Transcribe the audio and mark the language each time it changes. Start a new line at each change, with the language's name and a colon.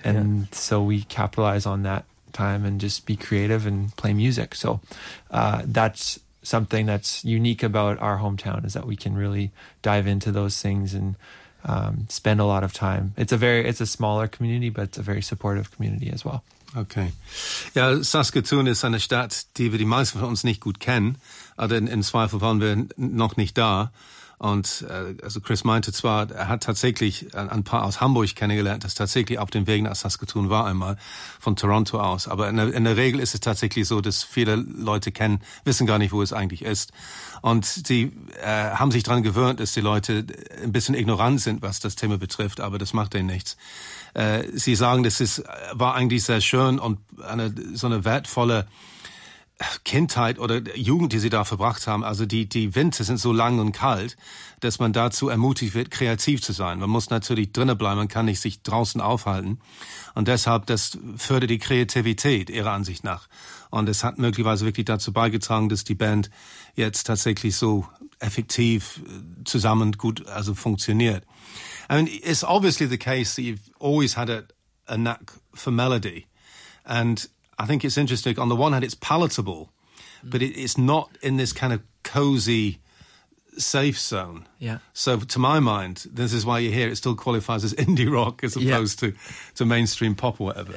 English: And so we capitalize on that time and just be creative and play music. So that's something that's unique about our hometown, is that we can really dive into those things and spend a lot of time. It's a smaller community, but it's a very supportive community as well. Okay.
German: Ja, Saskatoon ist eine Stadt, die wir die meisten von uns nicht gut kennen, aber im Zweifel waren wir noch nicht da. Und also Chris meinte zwar, er hat tatsächlich ein paar aus Hamburg kennengelernt, das tatsächlich auf dem Weg nach Saskatoon war einmal, von Toronto aus. Aber in der Regel ist es tatsächlich so, dass viele Leute wissen gar nicht, wo es eigentlich ist. Und sie haben sich daran gewöhnt, dass die Leute ein bisschen ignorant sind, was das Thema betrifft, aber das macht ihnen nichts. Sie sagen, war eigentlich sehr schön und so eine wertvolle Kindheit oder Jugend, die sie da verbracht haben. Also die Winter sind so lang und kalt, dass man dazu ermutigt wird, kreativ zu sein. Man muss natürlich drinnen bleiben, man kann nicht sich draußen aufhalten. Und deshalb, das fördert die Kreativität, ihrer Ansicht nach. Und es hat möglicherweise wirklich dazu beigetragen, dass die Band jetzt tatsächlich so effektiv zusammen gut, also funktioniert.
English: I mean, it's obviously the case that you've always had a knack for melody. And I think it's interesting. On the one hand, it's palatable, but it's not in this kind of cozy, safe zone. Yeah. So to my mind, this is why you're here. It still qualifies as indie rock as opposed to mainstream pop or whatever.